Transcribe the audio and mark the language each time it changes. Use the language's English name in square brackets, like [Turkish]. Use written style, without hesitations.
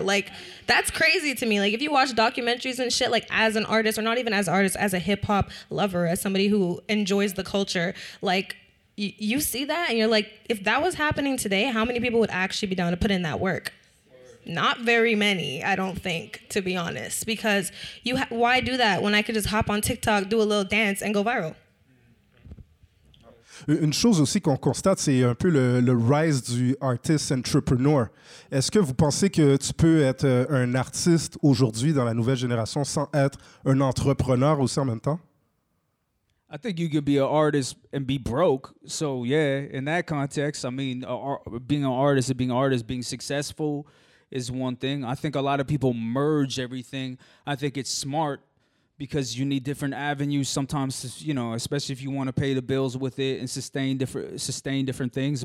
[English] Like, that's crazy to me. Like, if you watch documentaries and shit, like, as an artist, or not even as an artist, as a hip-hop lover, as somebody who enjoys the culture, like, you see that, and you're like, if that was happening today, how many people would actually be down to put in that work? Not very many, I don't think, to be honest. Because why do that when I could just hop on TikTok, do a little dance, and go viral? [French] Une chose aussi qu'on constate, c'est un peu le rise du artist entrepreneur. Est-ce que vous pensez que tu peux être un artiste aujourd'hui dans la nouvelle génération sans être un entrepreneur aussi en même temps? [English] I think you could be an artist and be broke. So yeah, in that context, I mean, being successful is one thing. I think a lot of people merge everything. I think it's smart because you need different avenues sometimes, you know, especially if you want to pay the bills with it and sustain different things.